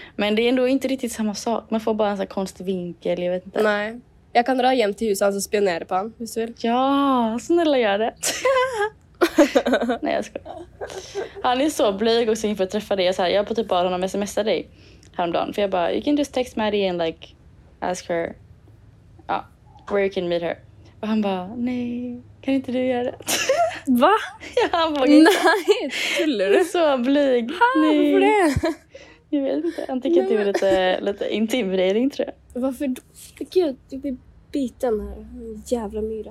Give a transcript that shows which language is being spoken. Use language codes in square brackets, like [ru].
[sv] Men det är ändå inte riktigt samma sak. Man får bara en så här konstig vinkel, jag vet inte. Nej. Jag kan dra hem till huset och spionera på han, hvis du vill. Ja, snälla gör det. Nej, jag ska. Han är så blyg och så inför att träffa dig. Jag har på typ bara honom smsade dig häromdagen. För jag bara, [en] you can just text Maddie and like ask her where you can meet her. [sv] Och han bara, nej, kan inte du göra det? Va? Ja, han bara, nej, tuller du? Så blyg. Varför det? Jag vet inte, han tycker att det är lite intimidering tror jag. Varför då? Gud, du blir biten här. Jävla myra.